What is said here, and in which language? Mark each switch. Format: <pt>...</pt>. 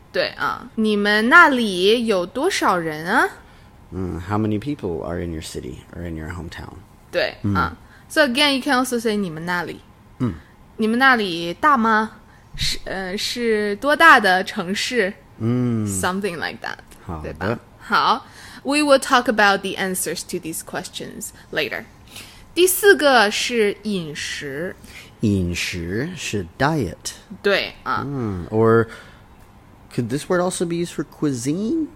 <zh>对啊你们那里有多少人啊、</zh> <en>嗯、How many people are in your city or in your hometown 对、嗯、啊 So again you can also say</en> <zh>你们那里、嗯、你们那里大吗 是多大的城市、嗯、</zh> <en>Something like that</en> <zh>好对吧好</zh> <en>We will talk about the answers to these questions later.</en> <zh>第四个是饮食。饮食是 diet. 对、</zh> <en>Or could this word also be used for cuisine?</en>